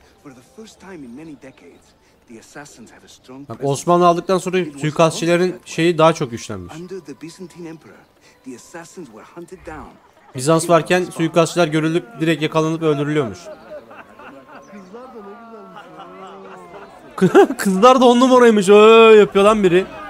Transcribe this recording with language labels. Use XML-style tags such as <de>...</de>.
<en>For the first time in many decades, the assassins have a strong presence.</en> <tr>Osmanlı aldıktan sonra suikastçıların şeyi daha çok güçlenmiş.</tr> <en>Under the Byzantine Emperor, the assassins were hunted down.</en> <tr>Bizans varken suikastçılar görülüp direkt yakalanıp öldürülüyormuş. Kızlar da on numaraymış. Yapıyor lan biri.</tr>